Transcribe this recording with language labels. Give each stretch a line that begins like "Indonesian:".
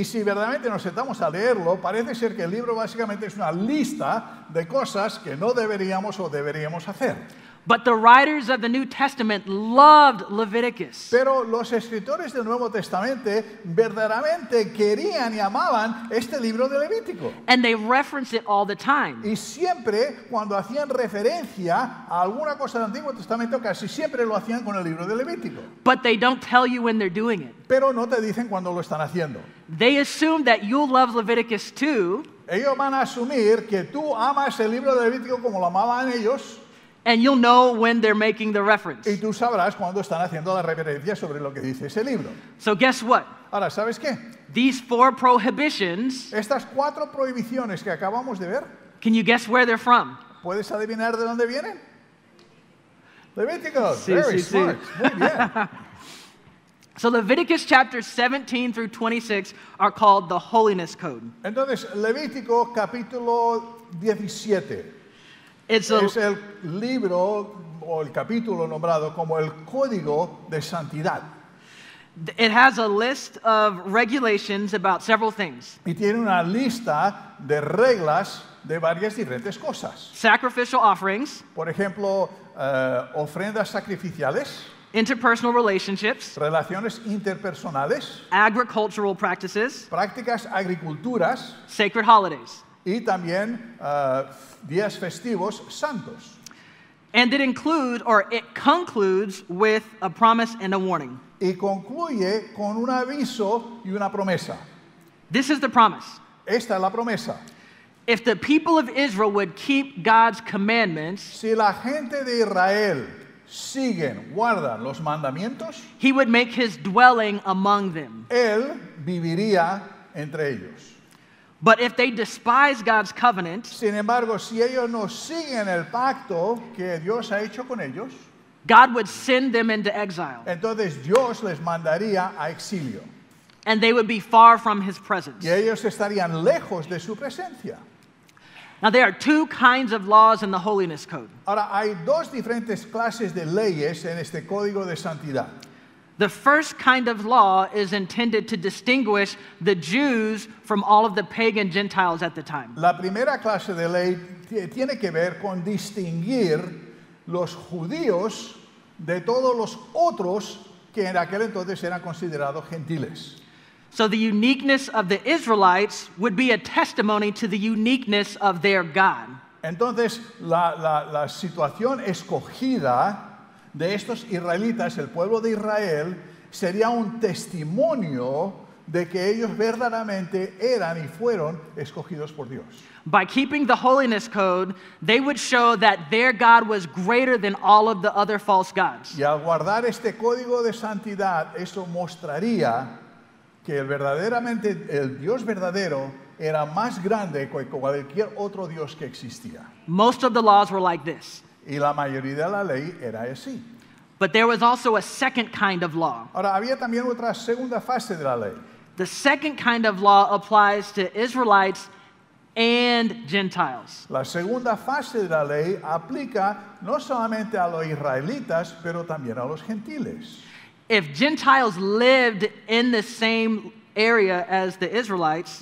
Spanish: Y si verdaderamente nos sentamos a leerlo, parece ser que el libro básicamente es una lista de cosas que no deberíamos o deberíamos hacer.
English: But the writers of the New Testament loved Leviticus.
Spanish: Pero los escritores del Nuevo Testamento verdaderamente querían y amaban este libro de Levítico.
English: And they referenced it all the time.
Spanish: Y siempre cuando hacían referencia a alguna cosa del Antiguo Testamento, casi siempre lo hacían con el libro de Levítico.
English: But they don't tell you when they're doing it.
Spanish: Pero no te dicen cuándo lo están haciendo.
English: They assume that you'll love Leviticus too.
Spanish: Ellos van a asumir que tú amas el libro de Levítico como lo amaban ellos.
English: And you'll know when they're making the reference.
Spanish: Y tú sabrás cuando están haciendo la referencia sobre lo que dice ese libro.
English: So guess what?
Spanish: Ahora, ¿sabes qué?
English: These four prohibitions.
Spanish: Estas cuatro prohibiciones que acabamos de ver.
English: Can you guess where they're from?
Spanish: ¿Puedes adivinar de dónde vienen? Levítico. Sí,
English: very
Spanish: sí,
English: smart.
Spanish: Sí. Muy bien.
English: So Leviticus chapters 17 through 26 are called the Holiness Code.
Spanish: Entonces, Levítico capítulo 17. Es el libro o el capítulo nombrado como el Código de Santidad.
English: It has a list of regulations about several things.
Spanish: Y tiene una lista de reglas de varias diferentes cosas.
English: Sacrificial offerings.
Spanish: Por ejemplo, ofrendas sacrificiales.
English: Interpersonal relationships.
Spanish: Relaciones interpersonales.
English: Agricultural practices.
Spanish: Prácticas agriculturas.
English: Sacred holidays.
Spanish: Y también días festivos santos.
English: And it includes, or it concludes with a promise and a warning.
Spanish: Y concluye con un aviso y una promesa.
English: This is the promise.
Spanish: Esta es la promesa.
English: If the people of Israel would keep God's commandments,
Spanish: si la gente de Israel siguen, guardan los mandamientos,
English: he would make his dwelling among them.
Spanish: Él viviría entre ellos.
English: But if they despise God's covenant,
Spanish: sin embargo, si ellos no siguen el pacto que Dios ha hecho con ellos,
English: God would send them into exile.
Spanish: Entonces Dios les mandaría a exilio.
English: And they would be far from his presence.
Spanish: Y ellos estarían lejos de su presencia.
English: Now there are two kinds of laws in the Holiness Code.
Spanish: Ahora hay dos diferentes clases de leyes en este código de santidad.
English: The first kind of law is intended to distinguish the Jews from all of the pagan Gentiles at the time.
Spanish: La primera clase de ley tiene que ver con distinguir los judíos de todos los otros que en aquel entonces eran considerados gentiles.
English: So the uniqueness of the Israelites would be a testimony to the uniqueness of their God.
Spanish: Entonces, la situación escogida de estos israelitas, el pueblo de Israel, sería un testimonio de que ellos verdaderamente eran y fueron escogidos por Dios.
English: By keeping the holiness code, they would show that their God was greater than all of the other false gods.
Spanish: Y al guardar este código de santidad, eso mostraría que el Dios verdadero era más grande que cualquier otro Dios que existía.
English: Most of the laws were like this.
Spanish: Y la mayoría de la ley era así.
English: But there was also a second kind of law.
Spanish: Ahora, había también otra segunda fase de la ley.
English: The second kind of law applies to Israelites and Gentiles.
Spanish: La segunda fase de la ley aplica no solamente a los israelitas, pero también a los gentiles.
English: If Gentiles lived in the same area as the Israelites,